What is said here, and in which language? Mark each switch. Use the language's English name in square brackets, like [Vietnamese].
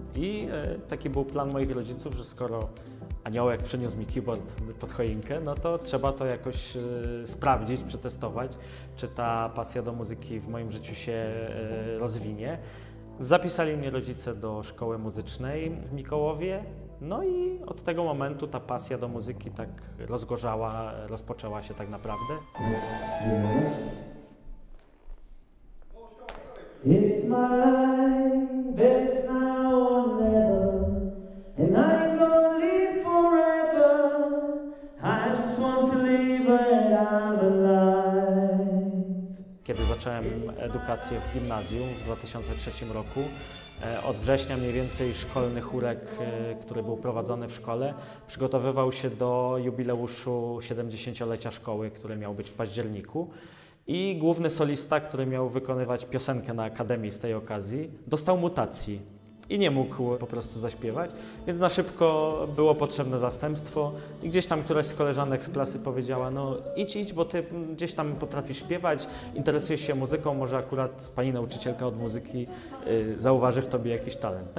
[Polish] I taki był plan moich rodziców, że skoro aniołek przyniósł mi keyboard pod choinkę, no to trzeba to jakoś sprawdzić, przetestować, czy ta pasja do muzyki w moim życiu się rozwinie. Zapisali mnie rodzice do szkoły muzycznej w Mikołowie. No i od tego momentu ta pasja do muzyki tak rozpoczęła się tak naprawdę. [English] It's my life, it's now or never, and I ain't gonna live forever, I just want to live and I'm alive. [Polish] Kiedy zacząłem edukację w gimnazjum w 2003 roku, od września mniej więcej szkolny chórek, który był prowadzony w szkole, przygotowywał się do jubileuszu 70-lecia szkoły, który miał być w październiku. I główny solista, który miał wykonywać piosenkę na akademii z tej okazji, dostał mutacji i nie mógł po prostu zaśpiewać, więc na szybko było potrzebne zastępstwo i gdzieś tam któraś z koleżanek z klasy powiedziała: no idź, bo ty gdzieś tam potrafisz śpiewać, interesujesz się muzyką, może akurat pani nauczycielka od muzyki zauważy w tobie jakiś talent.